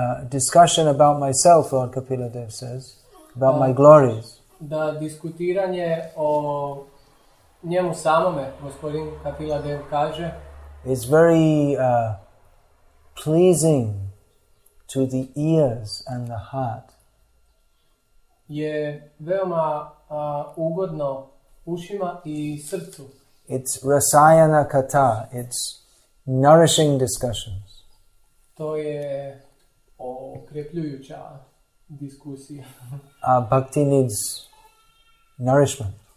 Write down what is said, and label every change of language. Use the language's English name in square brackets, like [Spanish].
[English] Discussion about myself, Lord Kapila Dev says, about my glories. [Croatian] Da diskutiranje o njemu samome, gospodin Kapila Dev kaže, [English] is very pleasing to the ears and the heart. [Croatian] Je veoma ugodno ušima i srcu. [English] It's rasayana kata, it's nourishing discussions. [Croatian] To je okrepljujuća diskusija. [English] Bhakti needs nourishment.